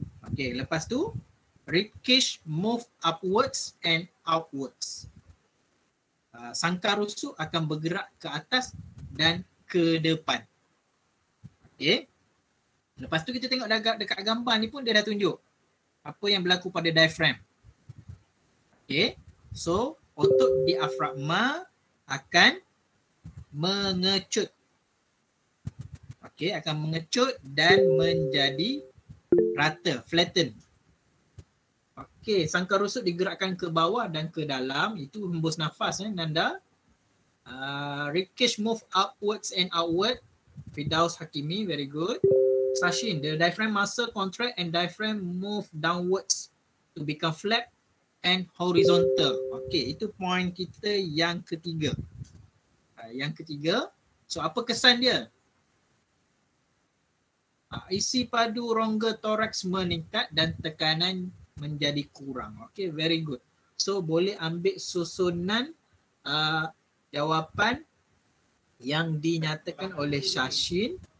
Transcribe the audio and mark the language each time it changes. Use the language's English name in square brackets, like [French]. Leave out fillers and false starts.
[English] Okay, [Malay] lepas tu [English] ribcage move upwards and outwards. [Malay] Sangkar rusuk akan bergerak ke atas dan ke depan. Okay. Lepas tu kita tengok dekat gambar ni pun dia dah tunjuk apa yang berlaku pada diaphragm. Okay. So, otot diafragma akan mengecut. Okay, akan mengecut dan menjadi rata, flatten. Okey, sangkar rusuk digerakkan ke bawah dan ke dalam, itu hembus nafas eh Nanda. [English] Ribcage move upwards and outward. Fidaus Hakimi, very good. Sashin, the diaphragm muscle contract and diaphragm move downwards to become flat and horizontal. [Malay] Okey, itu point kita yang ketiga. Yang ketiga, so apa kesan dia? Isi padu rongga toraks meningkat dan tekanan menjadi kurang. Okay, [English] very good. [Malay] So boleh ambil susunan jawapan yang dinyatakan oleh Shashin.